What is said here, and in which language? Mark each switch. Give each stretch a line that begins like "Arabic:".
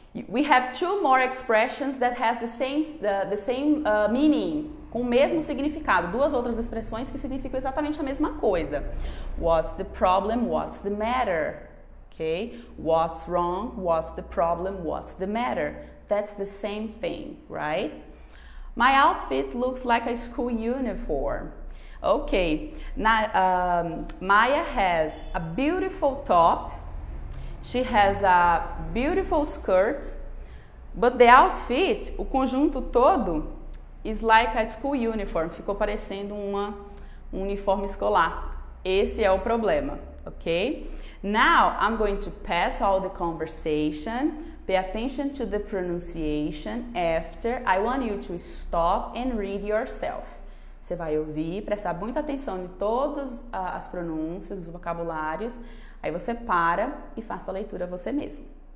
English: We have two more expressions that have the same meaning,
Portuguese: com o mesmo significado. Duas outras expressões que significam exatamente a mesma coisa.
English: What's the problem? What's the matter? Okay? What's wrong? What's the problem? What's the matter? That's the same thing, right? My outfit looks like a school uniform. Okay. Now, Maya has a beautiful top. She has a beautiful skirt, but the outfit,
Portuguese: o conjunto todo,
English: is like a school uniform.
Portuguese: Ficou parecendo um uniforme escolar. Esse é o problema, ok?
English: Now, I'm going to pass all the conversation. Pay attention to the pronunciation after. I want you to stop and read yourself.
Portuguese: Você vai ouvir, prestar muita atenção em todas as pronúncias, os vocabulários. Aí você para e faça a leitura você mesmo.